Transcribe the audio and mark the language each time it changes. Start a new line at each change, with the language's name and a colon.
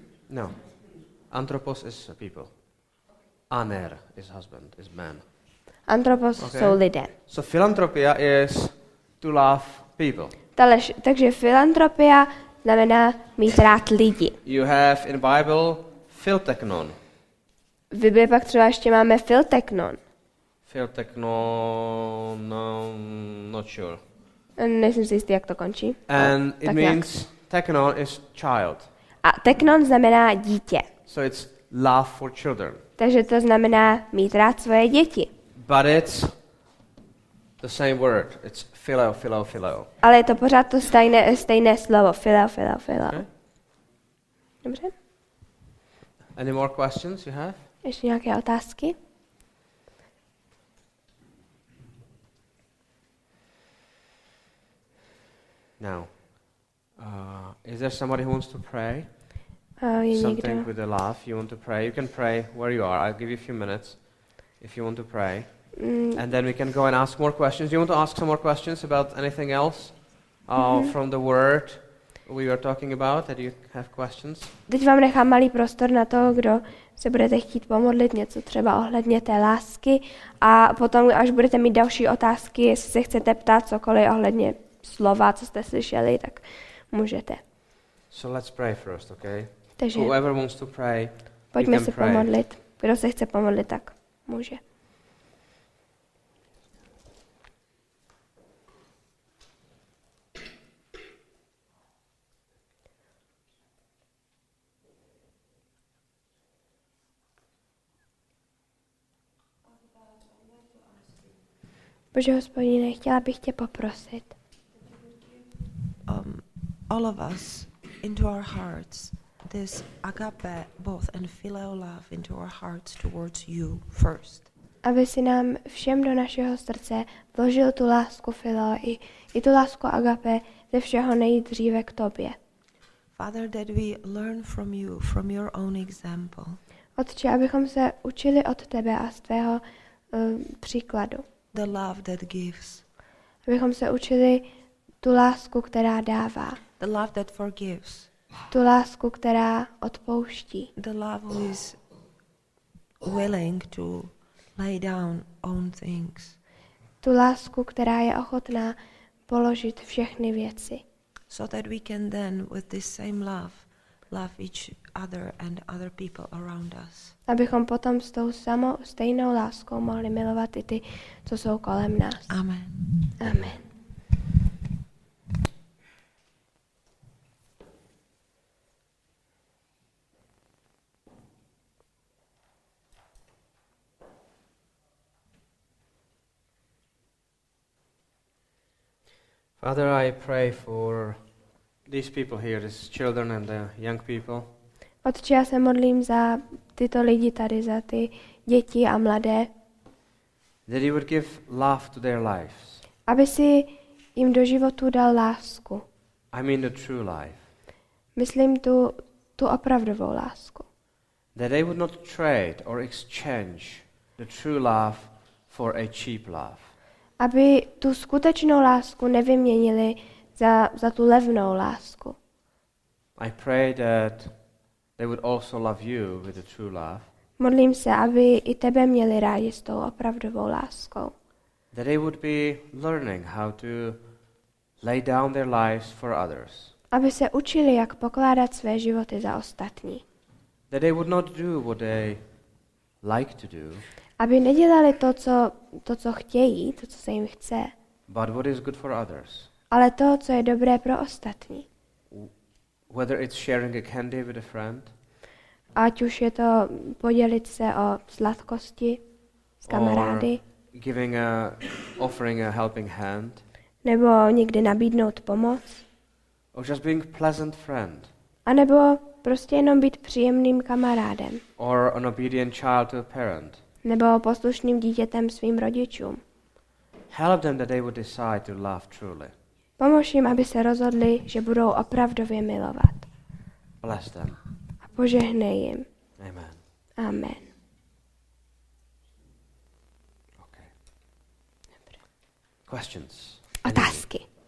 English: No. Anthropos is people. Aner is husband, is man.
Czech: Anthropos okay. Jsou lidé.
English: So philanthropia is to love people.
Czech: Takže filantropia znamená mít rád lidi.
English: You have in Bible philtechnon.
Czech: V Biblii pak třeba ještě máme philtechnon.
English: Philtechnon, no, not sure.
Czech: Nejsem si jistý, jak to končí.
English: And no, it means nějak. Technon is child.
Czech: A technon znamená dítě.
English: So it's love for children.
Czech: Takže to znamená mít rád svoje děti.
English: But it's the same word. It's phileo, phileo, phileo.
Czech: Ale je to pořád to stejné slovo. Phileo, phileo, phileo. Okay. Dobře.
English: Any more questions you have?
Czech: Ještě nějaké otázky?
English: Now, is there somebody who wants to pray? Something with a laugh. You want to pray? You can pray where you are. I'll give you a few minutes if you want to pray. And then we can go and ask more questions. You want to ask some more questions about anything else from the word we were talking about? That you have questions?
Czech: Teď vám nechám malý prostor na to, kdo se budete chtít pomodlit něco třeba ohledně té lásky a potom, až budete mít další otázky, jestli se chcete ptát cokoliv ohledně slova, co jste slyšeli, tak můžete.
English: So let's pray first, okay?
Czech: Takže
English: whoever wants to pray,
Czech: pojďme se
English: pray.
Czech: Pomodlit. Kdo se chce pomodlit, tak může. Bože Hospodine, chtěla bych tě poprosit.
English: All of us into our hearts this agape both and phileo love into our hearts towards you first.
Czech: Aby si nám všem do našeho srdce vložil tu lásku phileo i tu lásku agape ze všeho nejdříve k tobě.
English: Father, that we learn from you from your own example.
Czech: Otče, abychom se učili od tebe a z tvého příkladu.
English: The love that gives.
Czech: Abychom se učili tu lásku, která dává.
English: The love that forgives.
Czech: Tu lásku, která odpouští.
English: The love who is willing to lay down own things.
Czech: Tu lásku, která je ochotná položit všechny věci.
English: So that we can then with this same love love each other and other people around us.
Czech: Abychom potom s tou samou stejnou láskou mohli milovat i ty, co jsou kolem nás.
English: Amen.
Czech: Amen.
English: Father, I pray for these people here, these children and the young people.
Czech: Otče, já se modlím za tyto lidi tady, za ty děti a mladé.
English: That you would give love to their lives.
Czech: Aby si jim do životu dal lásku.
English: I mean the true life.
Czech: Myslím tu opravdovou lásku.
English: That they would not trade or exchange the true love for a cheap love.
Czech: Aby tu skutečnou lásku nevyměnili za tu levnou lásku.
English: I pray that they would also love you with the true love.
Czech: Modlím se, aby i tebe měli rádi s tou opravdovou láskou.
English: That they would be learning how to lay down their lives for others.
Czech: Aby se učili, jak pokládat své životy za ostatní.
English: That they would not do what they like to do.
Czech: Aby nedělali to, co chtějí, to, co se jim chce.
English: But what is good for others.
Czech: Ale to, co je dobré pro ostatní.
English: Whether it's sharing a candy with a friend.
Czech: Ať už je to podělit se o sladkosti s kamarády.
English: Or giving a, offering a helping hand.
Czech: Nebo někdy nabídnout pomoc.
English: Or just being pleasant friend.
Czech: A nebo prostě jenom být příjemným kamarádem.
English: Or an obedient child to a parent.
Czech: Nebo poslušným dítětem svým rodičům.
English: Help them that they would decide to love truly.
Czech: Pomož jim, aby se rozhodli, že budou opravdově milovat.
English: Bless them.
Czech: A požehnej jim.
English: Amen.
Czech: Amen.
English: Okay. Dobře. Questions.
Czech: Otázky.